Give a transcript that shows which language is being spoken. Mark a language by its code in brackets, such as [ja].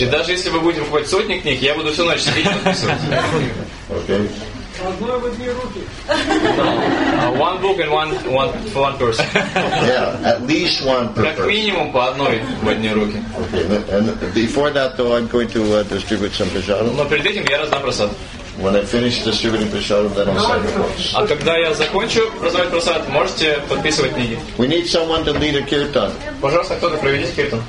[ru] И даже если вы будете покупать сотни книг, я буду всю ночь сидеть и подписывать. [en] Okay. One book and one for one person. Yeah, at least one per person. [ru] Как минимум по одной в одни руки. [en] Okay. And before that, though, I'm going to distribute some prasadam. [ru] Но перед этим я раздам прасад. [en] When I finish distributing prasadam, then I'll sign the books. [ru] А когда я закончу раздавать прасад, можете подписывать книги. [en] We need someone to lead a kirtan. [ru] Пожалуйста, кто-то проведет киртан.